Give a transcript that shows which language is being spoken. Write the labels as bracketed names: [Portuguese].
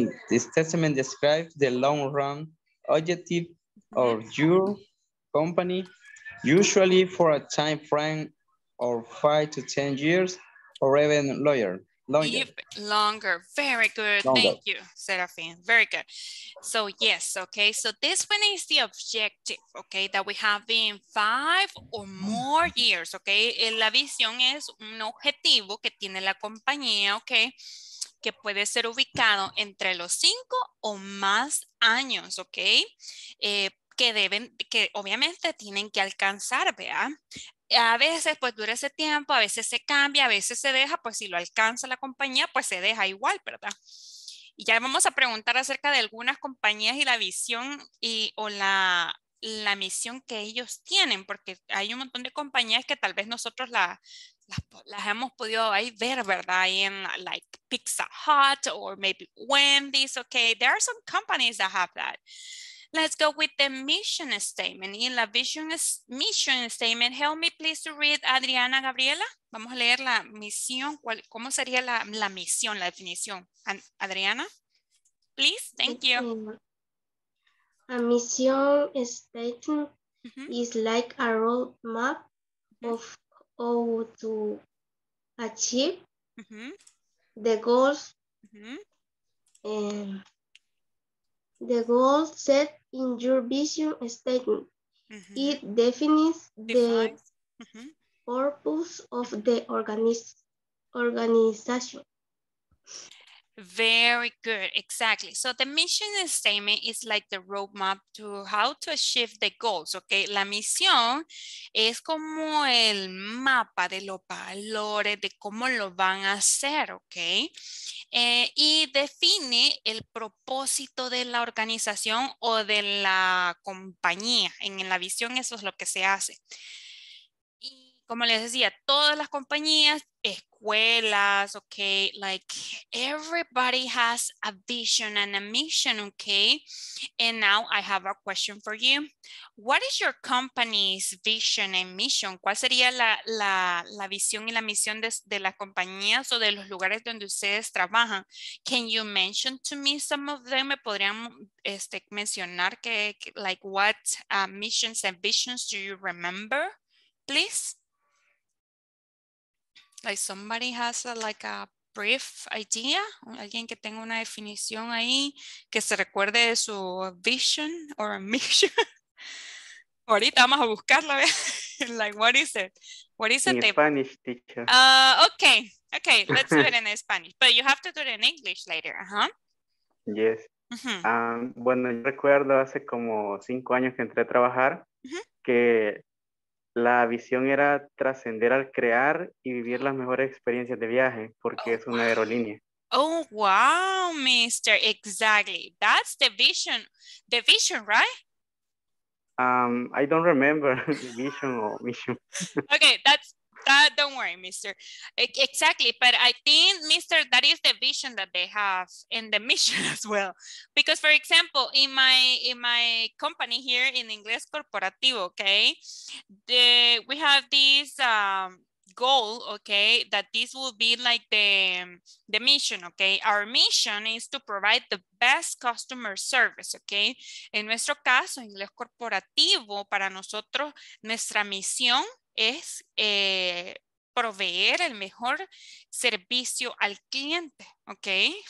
[English] This testament describes the long run objective of your company, usually for a time frame of 5 to 10 years, or even longer. Longer. Very good. Longer. Thank you, Serafin. Very good. So yes, okay. So this one is the objective, okay, that we have in 5 or more years, okay. [Spanish] La visión es un objetivo que tiene la compañía, okay, que puede ser ubicado entre los 5 o más años, okay, que deben, que obviamente tienen que alcanzar, vea. A veces pues dura ese tiempo, a veces se cambia, a veces se deja, pues si lo alcanza la compañía, pues se deja igual, ¿verdad? Y ya vamos a preguntar acerca de algunas compañías y la visión y, o la misión que ellos tienen, porque hay un montón de compañías que tal vez nosotros las hemos podido ahí ver, ¿verdad? [English] Ahí en like Pizza Hut or maybe Wendy's, okay, there are some companies that have that. Let's go with the mission statement. In the vision mission statement, help me please to read Adriana Gabriela. [Spanish] Vamos a leer la misión. ¿Cómo sería la misión, la definición? [English] Adriana, please, thank you. A mission statement is like a roadmap of how to achieve the goals. The goal set in your vision statement, it defines the purpose of the organization. Very good, exactly. So the mission statement is like the roadmap to how to achieve the goals, okay? [Spanish] La misión es como el mapa de los valores, de cómo lo van a hacer, okay? Y define el propósito de la organización o de la compañía. En la visión eso es lo que se hace. Y como les decía, todas las compañías, escuelas, [English] okay, like everybody has a vision and a mission, okay? And now I have a question for you. What is your company's vision and mission? [Spanish] ¿Cuál sería la visión y la misión de las compañías o de los lugares donde ustedes trabajan? [English] Can you mention to me some of them? [Spanish] ¿Me podrían mencionar que, [English] like, what missions and visions do you remember, please? Like somebody has like a brief idea, [Spanish] alguien que tenga una definición ahí, que se recuerde de su [English] vision or a mission. [Spanish] Ahorita vamos a buscarla, [English] like what is it? What is it? In Spanish, teacher. Okay, let's do it in Spanish, but you have to do it in English later, Yes. [Spanish] Bueno, yo recuerdo hace como 5 años que entré a trabajar, que la visión era trascender al crear y vivir las mejores experiencias de viaje, porque es una aerolínea. [English] Oh, wow, mister. Exactly. That's the vision. The vision, right? I don't remember vision or mission. Okay, don't worry, mister. Exactly, but I think, mister, that is the vision that they have and the mission as well. Because, for example, in my company here in Inglés Corporativo, okay, we have this goal, okay, that this will be like the mission, okay? Our mission is to provide the best customer service, okay? [Spanish] En nuestro caso, inglés corporativo, para nosotros, nuestra misión es proveer el mejor servicio al cliente, okay?